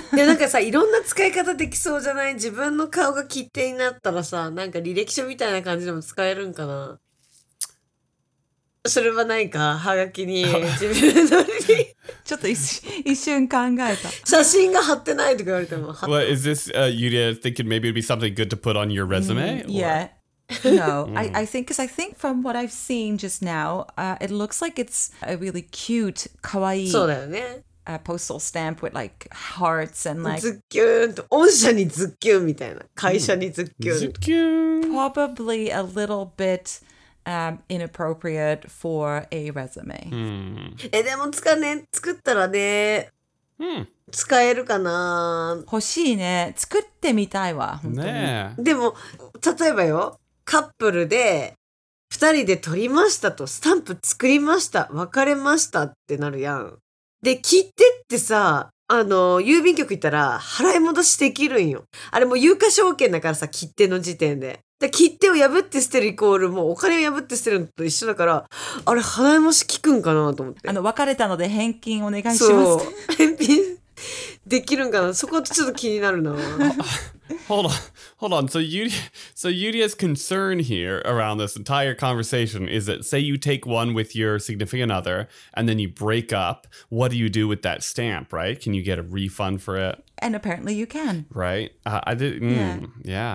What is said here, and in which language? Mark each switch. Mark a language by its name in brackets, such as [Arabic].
[Japanese] でなんかさ、いろんな使い方できそうじゃない？自分の顔が切手になったらさ、なんか履歴書みたいな感じでも使えるんかな？それはないか、はがきに自分の履歴ちょっと一瞬考えた。写真が貼ってないとか言われても。 [English] Well, is this, Yuria, thinking maybe it'd be something good to put on your resume? Yeah. No, I think, because I think from what I've seen just now, it looks like it's a really cute, kawaii postal stamp with like hearts and like... [Japanese] Zukkyun! 御社にズッキュンみたいな。会社にズッキュン。ズッキュン。 [English] Probably a little bit inappropriate for a resume. [Japanese] でも使うね、作ったらね、使えるかな。欲しいね。作ってみたいわ、本当に。でも、例えばよ。カップルで2人で撮りましたと、スタンプ作りました、別れましたってなるやん。で、切手ってさ、郵便局行ったら払い戻しできるんよ。あれもう有価証券だからさ、切手の時点で。で、切手を破って捨てるイコール、もうお金を破って捨てるのと一緒だから、あれ払い戻し効くんかなと思って。別れたので返金お願いします。そう、返品できるんかな、そこちょっと気になるな。 [English] Hold on. So Yuria's concern here around this entire conversation is that, say you take one with your significant other and then you break up, what do you do with that stamp, right? Can you get a refund for it? And apparently you can. Right? Yeah.